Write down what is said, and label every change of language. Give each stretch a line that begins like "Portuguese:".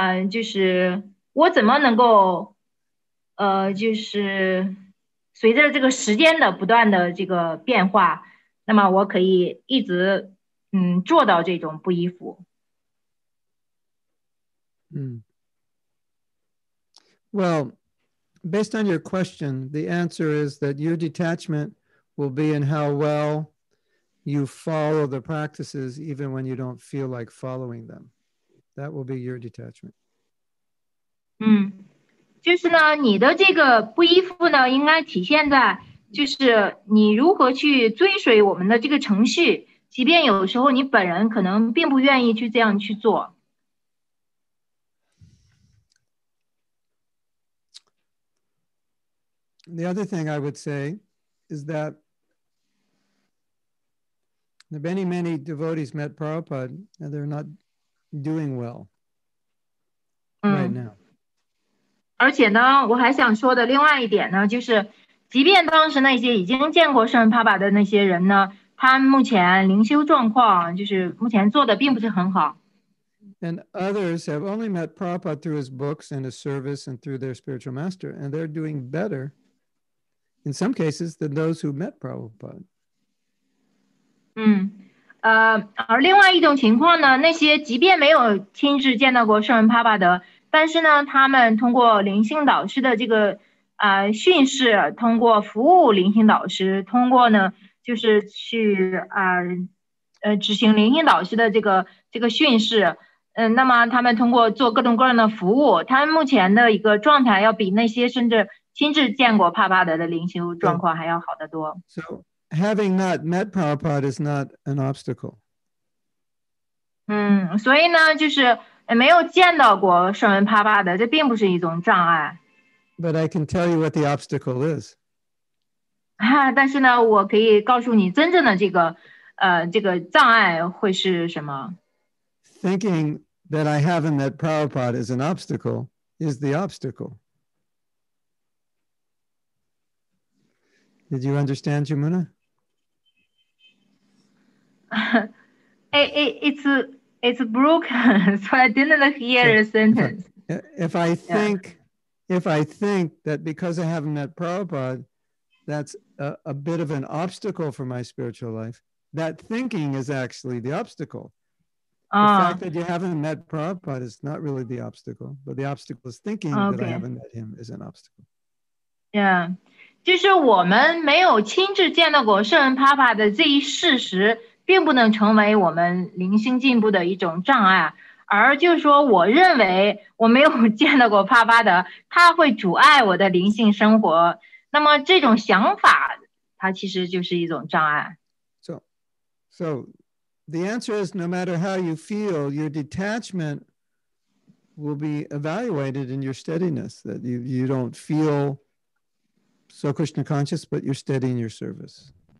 Chinese: 就是我怎么能够就是随着这个时间的不断的这个变化，那么我可以一直做到这种不依附。
English: Well, based on your question, the answer is that your detachment will be in how well you follow the practices even when you don't feel like following them. That will be your detachment.
Chinese: 就是呢，你的这个不依附呢，应该体现在就是你如何去追随我们的这个程序，即便有时候你本人可能并不愿意去这样去做。
English: The other thing I would say is that the many, many devotees met Prabhupada, and they're not. Doing well right now.
Chinese: 而且呢，我还想说的另外一点呢，就是即便当时那些已经见过圣帕巴的那些人呢，他目前灵修状况就是目前做的并不是很好。
English: And others have only met Prabhupada through his books and his service and through their spiritual master, and they're doing better in some cases than those who met Prabhupada.
Chinese: 而另外一种情况呢，那些即便没有亲自见到过圣人帕帕德，但是呢，他们通过灵性导师的这个训示，通过服务灵性导师，通过呢，就是去执行灵性导师的这个训示，那么他们通过做各种各样的服务，他们目前的一个状态要比那些甚至亲自见过帕帕德的灵修状况还要好得多。
English: Having not met Prabhupada is not an obstacle.
Chinese: 所以呢，就是没有见到过圣人帕帕的，这并不是一种障碍。
English: But I can tell you what the obstacle is.
Chinese: 但是呢，我可以告诉你真正的这个障碍会是什么。
English: Thinking that I haven't met Prabhupada is an obstacle is the obstacle. Did you understand, Jamuna? It's broken, so I didn't hear a sentence. If I think that because I haven't met Prabhupada, that's a bit of an obstacle for my spiritual life, that thinking is actually the obstacle. The fact that you haven't met Prabhupada is not really the obstacle, but the obstacle is thinking that I haven't met him is an obstacle. Yeah.
Chinese: 就是我们没有亲自见到过圣人帕帕的这一事实并不能成为我们灵性进步的一种障碍，而就是说我认为我没有见到过帕帕的，他会阻碍我的灵性生活，那么这种想法它其实就是一种障碍。
English: So the answer is no matter how you feel, your detachment will be evaluated in your steadiness, that you don't feelSo Krishna conscious, but you're steady in your service.